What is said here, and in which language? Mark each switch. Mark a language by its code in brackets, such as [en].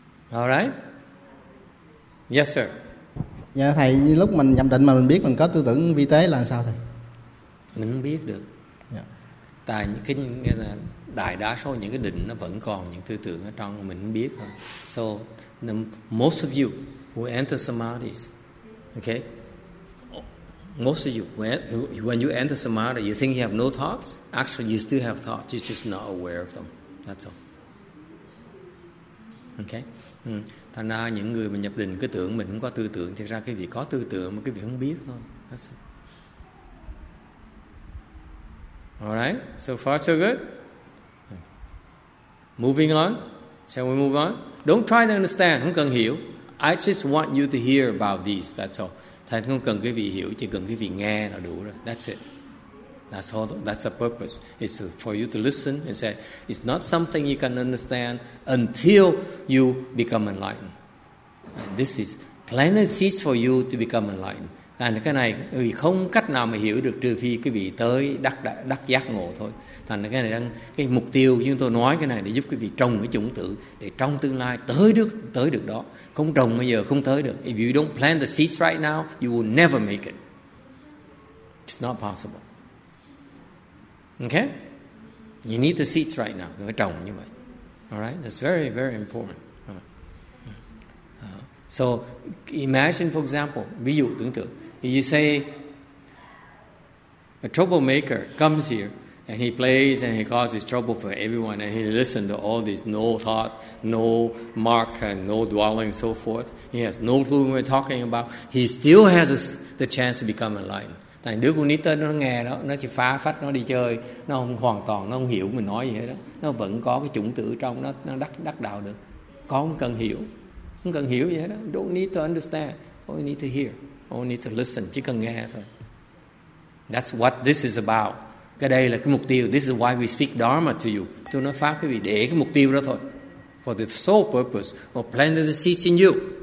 [en] Alright, yes sir. [vi] Dạ thầy, lúc mình nhập định mà mình biết mình có tư tưởng vi tế là sao thầy? Mình không biết được. Tại những cái đại đa số những cái định nó vẫn còn những tư tưởng ở trong mình không biết thôi. [en] So the most of you who enter samadhi, okay, most of you when you enter samadhi, you think you have no thoughts. Actually, you still have thoughts. You're just not aware of them. That's all. Okay. [vi] Thành ra những người mà nhập định cứ tưởng mình không có tư tưởng, thực ra cái việc có tư tưởng mà cái việc không biết thôi. [en] That's all. All right, so far so good. Moving on, shall we move on? Don't try to understand, [vi] không cần hiểu. [en] I just want you to hear about these, that's all. [vi] Thầy không cần quý vị hiểu, chỉ cần quý vị nghe là đủ rồi. [en] That's it. That's the purpose. It's for you to listen and say, it's not something you can understand until you become enlightened. And this is planted seeds for you to become enlightened. [vi] Thành cái này vì không cách nào mà hiểu được trừ phi cái vị tới đắc giác ngộ thôi. Thành cái này đang cái mục tiêu chúng tôi nói cái này để giúp cái vị trồng cái chủng tử để trong tương lai tới được đó. Không trồng bây giờ không tới được. [en] If you don't plant the seeds right now, you will never make it. It's not possible. Okay? You need the seeds right now. [vi] Phải trồng như vậy. [en] All right? That's very very important. So imagine, for example, [vi] ví dụ tưởng tượng, [en] you say a troublemaker comes here and he plays and he causes trouble for everyone and he listens to all these no thought, no mark and no dwelling and so forth. He has no clue what we're talking about. He still has the chance to become enlightened. [vi] Tại đứa con nít nó nghe đó, nó chỉ phá phách, nó đi chơi, nó không hoàn toàn, nó không hiểu mình nói gì hết đó. Nó vẫn có cái chủng tử trong nó đắc đạo được. Con cần hiểu. Không cần hiểu gì hết đó. [en] Don't need to understand. All you need to hear. All you need to listen. [vi] Chỉ cần nghe thôi. [en] That's what this is about. [vi] Cái đây là cái mục tiêu. [en] This is why we speak Dharma to you. [vi] Tôi nói pháp quý vị để cái mục tiêu đó thôi. [en] For the sole purpose of planting the seeds in you.